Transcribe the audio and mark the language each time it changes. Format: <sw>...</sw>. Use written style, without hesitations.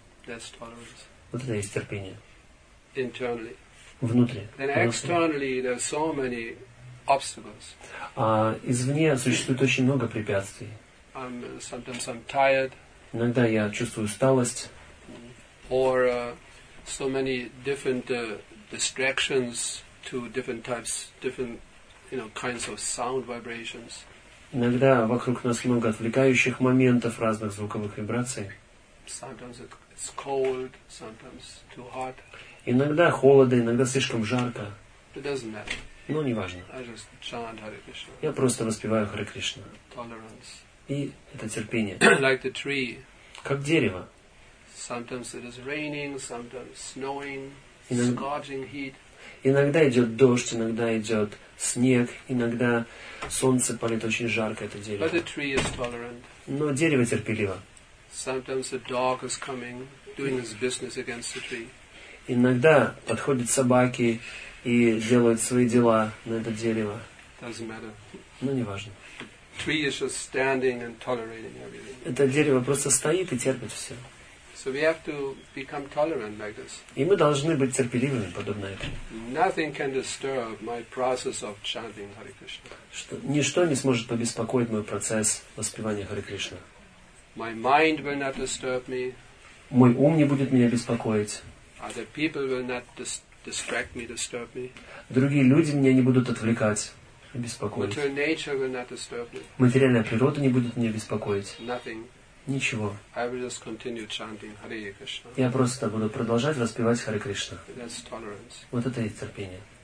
<en>That's tolerance.</en> <ru>Вот это есть терпение.</ru> <en>Internally.</en> <ru>Внутри.</ru> <en>And externally, there are so many obstacles.</en> <ru>А извне существует очень много препятствий.</ru> <en>Sometimes I'm tired.</en> <ru>Иногда я чувствую усталость.</ru> <en>Or so many different distractions to different types, different, you know, kinds of sound vibrations.</en> <ru>Иногда вокруг нас много отвлекающих моментов разных звуковых вибраций.</ru> <en>Sometimes it's cold. Sometimes too hot.</en> <ru>Иногда холодно, иногда слишком жарко.</ru> <en>It doesn't matter.</en> <ru>Но не важно.</ru> <en>I just chant Hare Krishna.</en> <ru>Я просто воспеваю Харе Кришну.</ru> <en>Tolerance.</en> <ru>И это терпение.</ru> <en>Like the tree.</en> <ru>Как дерево.</ru> <en>Sometimes it is raining, sometimes snowing, scorching heat.</en> <ru>Иногда идет дождь, иногда идет снег, иногда солнце палит очень жарко это дерево.</ru> <en>But the tree is tolerant.</en> <ru>Но дерево терпеливо.</ru> <en>Sometimes a dog is coming, doing his business against the tree.</en> <ru>Иногда подходят собаки и делают свои дела на это дерево.</ru> <en>Doesn't matter.</en> <ru>Но не важно.</ru> <en>Tree is just standing and tolerating everything.</en> <ru>Это дерево просто стоит и терпит все.</ru> <en>So we have to become tolerant like this.</en> <ru>И мы должны быть терпеливыми, подобно этому.</ru> <en>Nothing can disturb my process of chanting Hare Krishna.</en> <ru>Что, ничто не сможет побеспокоить мой процесс воспевания Харе Кришна.</ru> <en>My mind will not disturb me.</en> <ru>Мой ум не будет меня беспокоить.</ru> <en>Other people will not distract me, disturb me.</en> <ru>Другие люди меня не будут отвлекать, беспокоить.</ru> <en>Material nature will not disturb me.</en> <ru>Материальная природа не будет меня беспокоить.</ru> <en>Nothing.</en> <ru>Ничего.</ru> <en>I will just continue chanting Hare Krishna.</en> <ru>Я просто буду продолжать воспевать Харе Кришна.</ru> <en>That's tolerance.</en> <ru>Вот это и терпение.</ru>